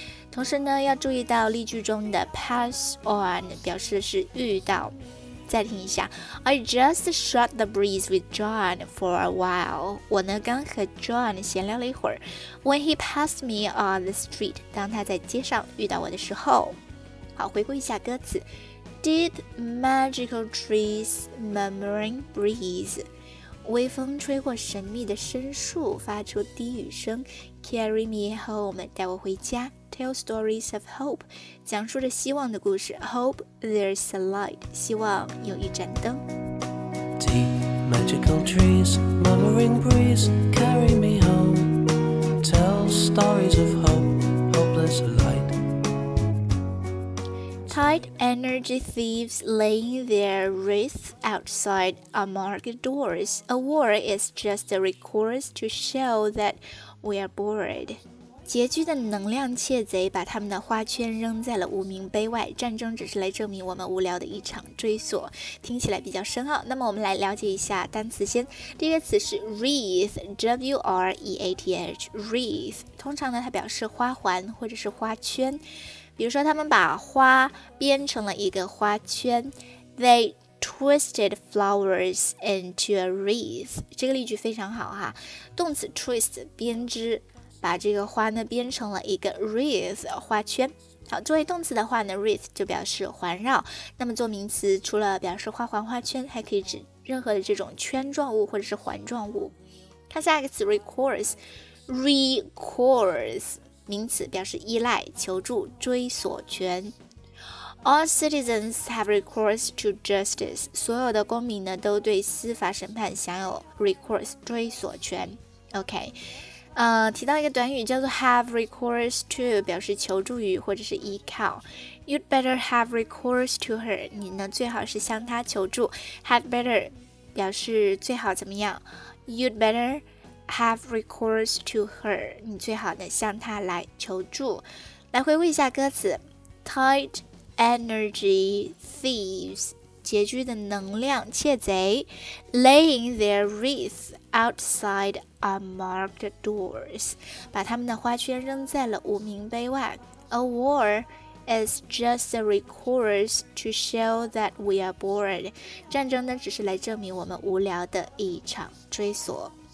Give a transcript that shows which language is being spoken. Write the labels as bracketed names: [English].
[Chinese] 同时呢要注意到例句中的 pass on 表示的是遇到。再听一下 [English] ，I just shot the breeze with John for a while。 [Chinese] 我呢刚和 John 闲聊了一会儿。 [English] When he passed me on the street， [Chinese] 当他在街上遇到我的时候。好，回顾一下歌词。 [English] Did magical trees murmuring breeze， [Chinese] 微风吹过神秘的深树，发出低语声。 [English] Carry me home， [Chinese] 带我回家。 [English] Tell stories of hope， [Chinese] 讲述着希望的故事。 [English] Hope there's a light， [Chinese] 希望有一盏灯。 [English] Deep magical trees murmuring breeze， carry me home。 Tell stories of hope， hope there's a light。 Tight energy thieves laying their wreaths outside our market doors. A war is just a recourse to show that we are bored. [Chinese] 拮据的能量窃贼把他们的花圈扔在了无名碑外。战争只是来证明我们无聊的一场追索。听起来比较深奥。那么我们来了解一下单词先。第一个词是 wreath, W-R-E-A-T-H, wreath. 通常呢它表示花环或者是花圈。比如说他们把花编成了一个花圈。 [English] They twisted flowers into a wreath. [Chinese] 这个例句非常好哈。动词 twist, 编织，把这个花呢编成了一个 wreath, 花圈。好，作为动词的话呢 wreath 就表示环绕。那么做名词除了表示花环花圈，还可以指任何的这种圈状物或者是环状物。看下一个词 recourse, recourse。名词表示依赖、求助、追索权。 [English] All citizens have recourse to justice. [Chinese] 所有的公民呢都对司法审判享有 recourse 追索权。 OK， 提到一个短语叫做 have recourse to， 表示求助于或者是依靠。 [English] You'd better have recourse to her. [Chinese] 你呢最好是向她求助。 [English] Have better 表示最好怎么样。You'd better。 Have recourse to her， [Chinese] 你最好呢向她来求助。来回顾一下歌词 ， [English] Tight energy thieves， [Chinese] 拮据的能量窃贼 ， [English] laying their wreaths outside unmarked doors， [Chinese] 把他们的花圈扔在了无名碑外。 [English] A war is just a recourse to show that we are bored， [Chinese] 战争呢只是来证明我们无聊的一场追索。